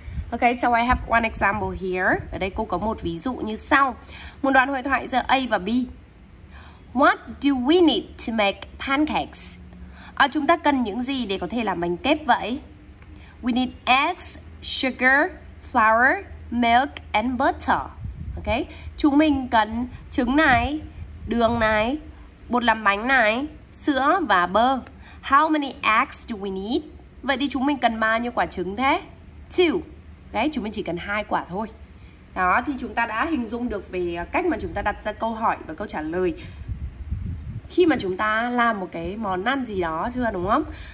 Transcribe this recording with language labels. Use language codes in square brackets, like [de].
[en] Ok, so I have one example here. [vi] Ở đây cô có một ví dụ như sau. Một đoạn hội thoại giữa A và B. [en] What do we need to make pancakes? [vi] Chúng ta cần những gì để có thể làm bánh kép vậy? [en] We need eggs, sugar, flour, milk and butter. [vi] Ok, chúng mình cần trứng này, đường này, bột làm bánh này, sữa và bơ. [en] How many eggs do we need? [vi] Vậy thì chúng mình cần bao nhiêu quả trứng thế? [en] Two. [vi] Đấy, chúng mình chỉ cần hai quả thôi. Đó, thì chúng ta đã hình dung được về cách mà chúng ta đặt ra câu hỏi và câu trả lời khi mà chúng ta làm một cái món ăn gì đó chưa, đúng không?